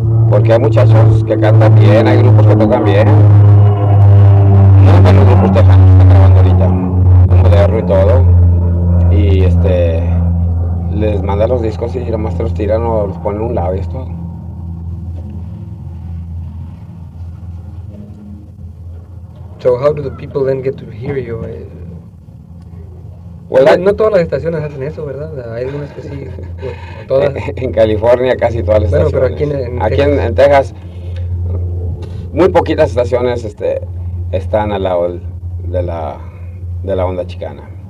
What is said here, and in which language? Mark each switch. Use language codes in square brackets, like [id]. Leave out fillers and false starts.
[es] Porque hay muchachos que cantan bien, hay grupos que tocan bien. Muy buenos grupos tejanos están grabando ahorita, moderno y todo. Y les manda los discos y nomás te los tiran o los ponen un lado y es todo. [en] So how do the people then get to hear you? [es] Bueno, no todas las estaciones hacen eso, ¿verdad? Hay algunas que sí, pues, todas. En California casi todas las estaciones. Bueno, pero aquí en Texas, muy poquitas estaciones están al lado de la onda chicana.